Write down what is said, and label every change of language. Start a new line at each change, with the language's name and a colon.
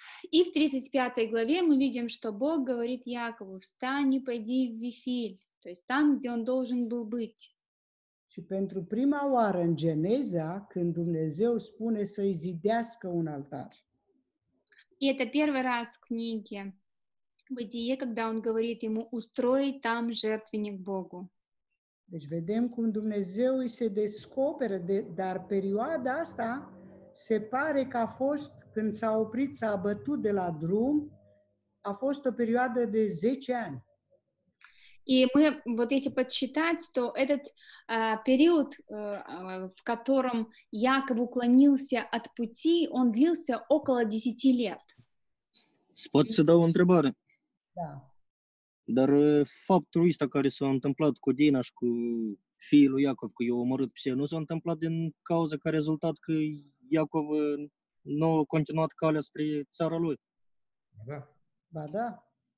Russian: И в 35 главе мы видим, что Бог говорит Якову: «Встань и пойди в Вифиль», то есть там, где он должен был быть.
Romanian: Și pentru prima oară în Geneza, când Dumnezeu spune să îi zidească un altar.
Russian: И это первый раз в книге Бытие, когда он говорит ему «Устрой там жертвенник Богу».
Romanian: Deci vedem cum Dumnezeu îi se descoperă, dar perioada asta se pare că a fost, când s-a oprit, s-a bătut de la drum, a fost o perioadă de 10 ani.
Russian: И мы, вот если подсчитать, то этот период, в котором Яков уклонился от пути, он длился около 10 лет. Спад сюда вам требары. Да.
Romanian: Dar faptul ăsta care s-a întâmplat cu Dina și cu fiul lui Iacov, că i-a omorât pe Sihem, nu s-a întâmplat din cauza că a rezultat că Iacov nu a continuat calea spre țara lui. Da. Ba da.